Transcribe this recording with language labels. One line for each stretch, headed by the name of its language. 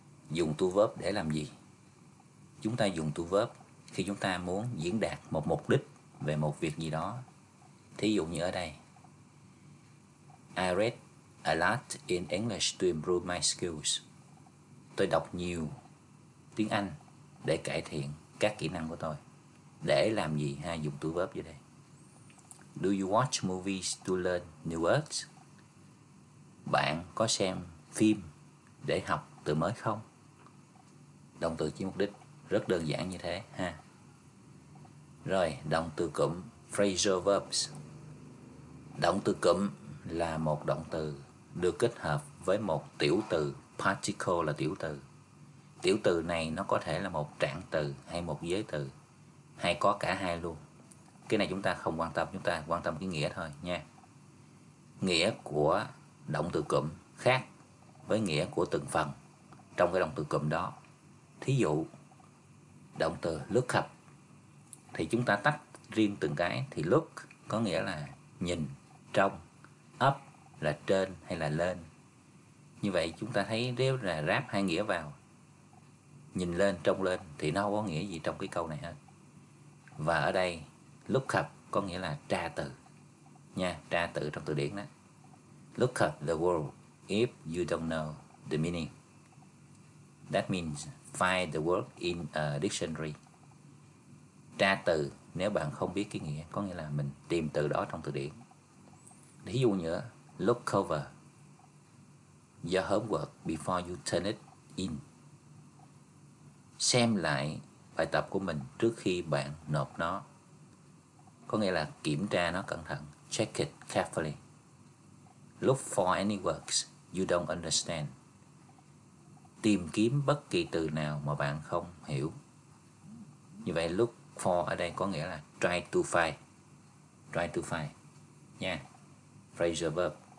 Vietnamese: Dùng to verb để làm gì? Chúng ta dùng to verb khi chúng ta muốn diễn đạt một mục đích về một việc gì đó. Thí dụ như ở đây,
English: I read a lot in English to improve my skills.
Vietnamese: Tôi đọc nhiều tiếng Anh để cải thiện các kỹ năng của tôi. Để làm gì ha? Dùng to verb vậy đây.
English: Do you watch movies to learn new words?
Vietnamese: Bạn có xem phim để học từ mới không? Động từ chỉ mục đích rất đơn giản như thế ha. Rồi, động từ cụm phrasal verbs. Động từ cụm là một động từ được kết hợp với một tiểu từ, particle là tiểu từ. Tiểu từ này nó có thể là một trạng từ hay một giới từ hay có cả hai luôn. Cái này chúng ta không quan tâm, chúng ta quan tâm cái nghĩa thôi nha. Nghĩa của động từ cụm khác với nghĩa của từng phần trong cái động từ cụm đó. Thí dụ, động từ look up thì chúng ta tách riêng từng cái. Thì look có nghĩa là nhìn, trông, up là trên hay là lên. Như vậy chúng ta thấy nếu là ráp hai nghĩa vào, nhìn lên, trông lên thì nó không có nghĩa gì trong cái câu này hết. Và ở đây look up có nghĩa là tra từ nha, tra từ trong từ điển đó.
English: Look up the world if you don't know the meaning. That means find the word in a dictionary.
Vietnamese: Tra từ nếu bạn không biết cái nghĩa có nghĩa là mình tìm từ đó trong từ điển. Thí dụ nữa,
English: look over your homework before you turn it in.
Vietnamese: Xem lại bài tập của mình trước khi bạn nộp nó. Có nghĩa là kiểm tra nó cẩn thận.
English: Check it carefully. Look for any words you don't understand.
Vietnamese: Tìm kiếm bất kỳ từ nào mà bạn không hiểu. Như vậy look for ở đây có nghĩa là
English: try to find. Try to find.
Vietnamese: Nha. Phrasal verb.